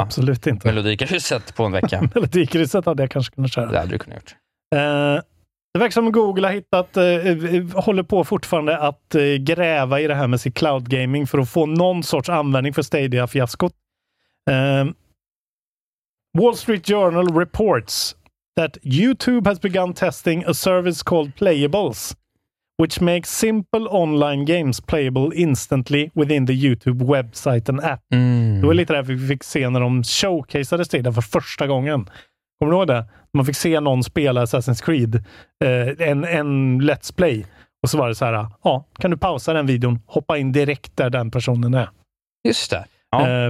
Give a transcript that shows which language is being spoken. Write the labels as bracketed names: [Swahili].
[Swedish] Absolut inte. ...melodikrysset på en vecka. Melodikrysset hade jag kanske kunnat köra. Det hade du kunnat gjort. Det verkar som Google har hittat, håller på fortfarande att gräva i det här med sitt cloud gaming för att få någon sorts användning för Stadia-fiaskot. [English] Wall Street Journal reports that YouTube has begun testing a service called Playables, which makes simple online games playable instantly within the YouTube website and app. Mm. [Swedish] Det var lite det vi fick se när de showcaseade Stadia för första gången. Kommer du ihåg det? Man fick se någon spela Assassin's Creed, en let's play. Och så var det så här, kan du pausa den videon, hoppa in direkt där den personen är. Just det. Ja.